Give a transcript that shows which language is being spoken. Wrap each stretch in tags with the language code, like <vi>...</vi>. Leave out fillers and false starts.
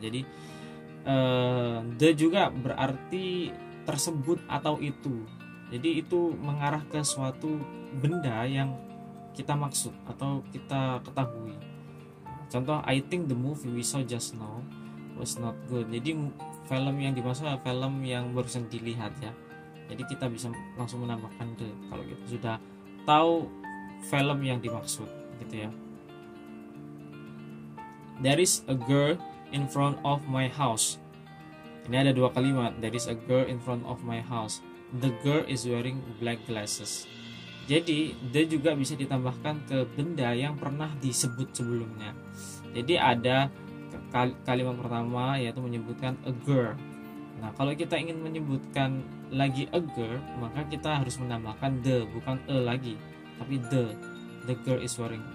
<id>Jadi the juga berarti tersebut atau itu, jadi itu mengarah ke suatu benda yang kita maksud atau kita ketahui.</id> <en>Contoh, I think the movie we saw just now was not good.</en> <id>Jadi film yang dimaksud film yang barusan dilihat ya, jadi kita bisa langsung menambahkan the kalau kita sudah tahu film yang dimaksud gitu ya.</id> <en>There is a girl in front of my house.</en> <id>Ini ada dua kalimat.</id> <en>There is a girl in front of my house. The girl is wearing black glasses.</en> <id>Jadi, the juga bisa ditambahkan ke benda yang pernah disebut sebelumnya. Jadi, ada kalimat pertama yaitu menyebutkan a girl. Nah, kalau kita ingin menyebutkan lagi a girl, maka kita harus menambahkan the, bukan a lagi, tapi the.</id> <en>The girl is wearing.</en>